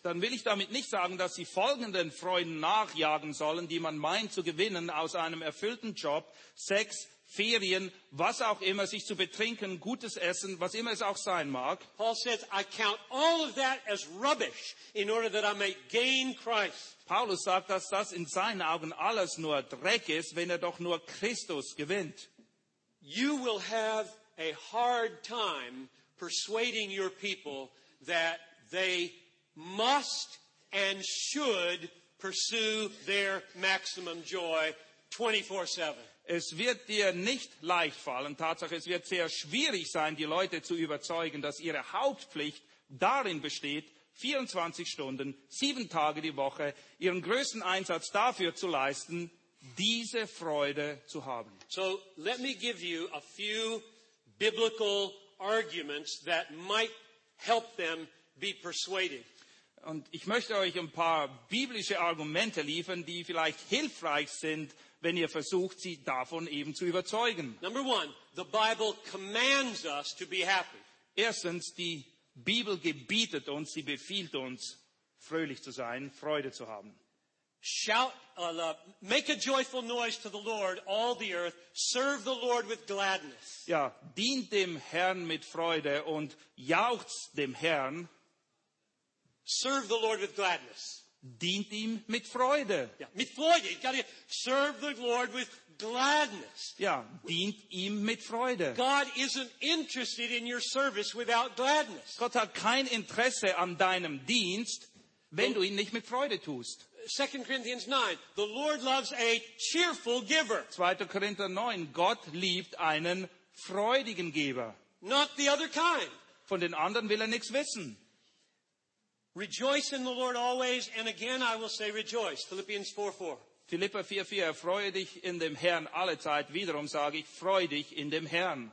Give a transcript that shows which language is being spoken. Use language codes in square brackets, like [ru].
[de] Dann will ich damit nicht sagen, dass sie folgenden Freuden nachjagen sollen, die man meint zu gewinnen aus einem erfüllten Job, Sex, Ferien, was auch immer, sich zu betrinken, gutes Essen, was immer es auch sein mag. [en] Paul says, I count all of that as rubbish in order that I may gain Christ. [de] Paulus sagt, dass das in seinen Augen alles nur Dreck ist, wenn er doch nur Christus gewinnt. [en] You will have a hard time persuading your people that they must and should pursue their maximum joy 24/7. [de] Es wird dir nicht leicht fallen. Tatsache, es wird sehr schwierig sein, die Leute zu überzeugen, dass ihre Hauptpflicht darin besteht, 24 Stunden, 7 Tage die Woche, ihren größten Einsatz dafür zu leisten, diese Freude zu haben. [en] So, let me give you a few biblical arguments that might help them be persuaded. [de] Und ich möchte euch ein paar biblische Argumente liefern, die vielleicht hilfreich sind, wenn ihr versucht, sie davon eben zu überzeugen. [en] Number one, the Bible commands us to be happy. [de] Erstens, die Bibel gebietet uns, sie befiehlt uns, fröhlich zu sein, Freude zu haben. [en] Shout, make a joyful noise to the Lord, all the earth. Serve the Lord with gladness. [de] Ja, dient dem Herrn mit Freude und jauchzt dem Herrn. [en] Serve the Lord with gladness. [de] Dient ihm mit Freude. Ja, mit Freude. [en] You gotta serve the Lord with gladness. [de] Ja, dient ihm mit Freude. [en] God isn't interested in your service without gladness. [de] Gott hat kein Interesse an deinem Dienst, wenn du ihn nicht mit Freude tust. [en] 2 Corinthians 9. The Lord loves a cheerful giver. [de] 2. Korinther 9. Gott liebt einen freudigen Geber. [en] Not the other kind. [de] Von den anderen will er nichts wissen. [en] Rejoice in the Lord always, and again I will say rejoice. Philippians 4:4. [de] Philipper 4:4. Freue dich in dem Herrn alle Zeit. Wiederum sage ich, freue dich in dem Herrn.